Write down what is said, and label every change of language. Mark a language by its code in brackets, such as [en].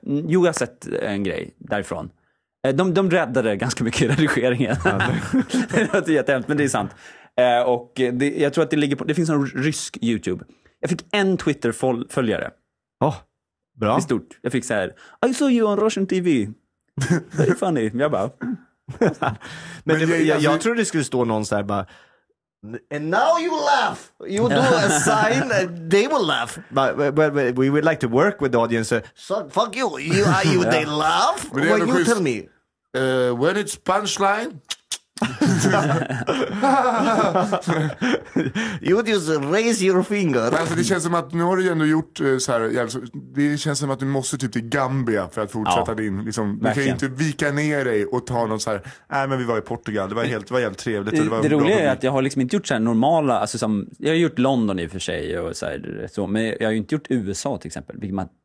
[sv] Jo, jag har sett en grej därifrån. De räddade ganska mycket i redigeringen. Det låter jättehämt, men det är sant. Och jag tror att det ligger på, det finns en rysk YouTube. Jag fick en Twitter-följare. Bra. Det är stort. Jag fick så här, [en] I saw you on Russian TV. Very funny. [sv] Jag bara... Men jag tror det skulle stå någon så här bara, [en] and now you laugh, you do a sign, they will laugh, but we would like to work with the audience, so fuck you, you they laugh, what you tell me when it's punchline. You just raise your finger. [sv] Alltså det känns som att nu har du ändå gjort så här, det känns som att du måste typ till Gambia för att fortsätta din liksom, du kan ju inte vika ner dig och ta någon så här, nej men vi var i Portugal, det var helt trevligt. Det roliga är att jag har liksom inte gjort så här normala, alltså som, jag har gjort London i och för sig och så här, så, men jag har ju inte gjort USA till exempel, vilket man